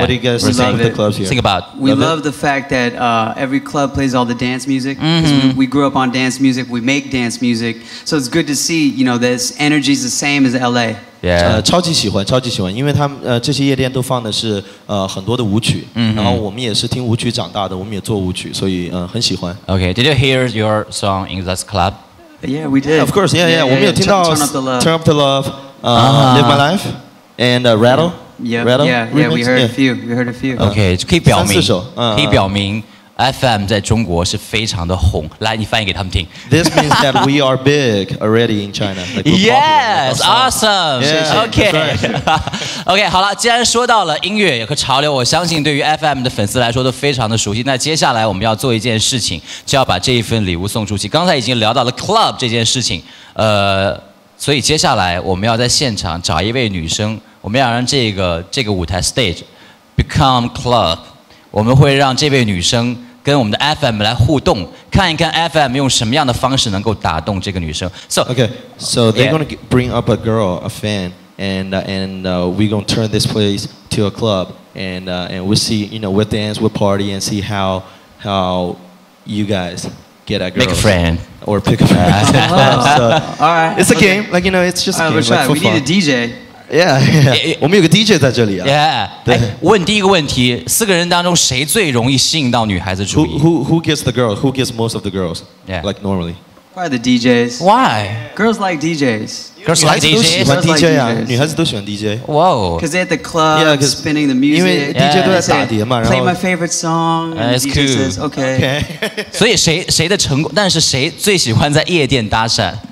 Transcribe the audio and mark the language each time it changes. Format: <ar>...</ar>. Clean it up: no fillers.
<en>What do you guys think of the clubs here? Think about. We love the fact that every club plays all the dance music. We grew up on dance music. We make dance music. So it's good to see, you know, this energy is the same as LA. Yeah.</en> <zh>超级喜欢，因为他们这些夜店都放的是很多的舞曲， mm-hmm. 然后我们也是听舞曲长大的，我们也做舞曲，所以很喜欢。</zh> <en>Okay, did you hear your song in this club? Yeah, we did. Yeah, of course, yeah.</en> <zh>我们有听到</zh> <en>Turn Up the Love, Live My Life, and Rattle. Yeah, Rattle. Yeah, we heard a few.</en> <zh>Okay, 可以表明，可以表明 FM 在中国是非常的红。来，你翻译给他们听。</zh> <en>This means that we are big already in China. Like yes, awesome. Yeah, okay, right. Okay.</en> <zh>好了，既然说到了音乐和潮流，我相信对于 FM 的粉丝来说都非常的熟悉。那接下来我们要做一件事情，就要把这一份礼物送出去。刚才已经聊到了 club 这件事情，所以接下来我们要在现场找一位女生，我们要让这个舞台</zh> <en>stage become club。</en> <zh>我们会让这位女生跟我们的 FM 来互动，看一看 FM 用什么样的方式能够打动这个女生。</zh> <en>So, okay, so they're going to bring up a girl, a fan, and we're going to turn this place to a club, and we'll see, you know, we'll dance, we'll party, and see how you guys get at girls. Make a friend. Or pick a friend. Oh. So, all right. It's a game. Like, you know, it's just all a game. Like, for we fun. Need a DJ. Yeah, yeah.</en> <zh>我们有个DJ在这里啊 Yeah 问第一个问题 四个人当中谁最容易吸引到女孩子注意</zh> <en>who gets the girl? Who gets most of the girls? Yeah. Like normally Probably the DJs Why? Girls like DJs Girls like DJs?</en> <zh>女孩子都喜欢DJ啊 女孩子都喜欢DJ</zh> <en>Wow Cause they at the club yeah, Spinning the music</en> <zh>因为DJ都在打碟嘛</zh> <en>yeah. Play my favorite song That's cool says, Okay</en> <zh>所以谁的成功 但是谁最喜欢在夜店搭讪</zh>